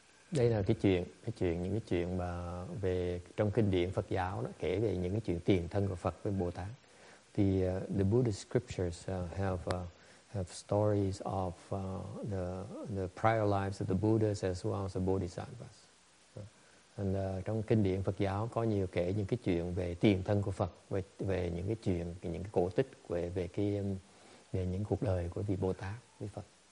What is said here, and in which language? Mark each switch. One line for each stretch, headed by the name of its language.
Vietnamese: Đây là cái chuyện những cái chuyện mà về trong kinh điển Phật giáo nó kể về những cái chuyện tiền thân của Phật với Bồ Tát.
English: The the Buddhist scriptures have stories of the prior lives of the Buddhas as well as the Bodhisattvas.
Vietnamese: And trong kinh điển Phật giáo có nhiều kể những cái chuyện về tiền thân của Phật, về những cái chuyện, những cái cổ tích về những cuộc đời của vị Bồ Tát với Phật.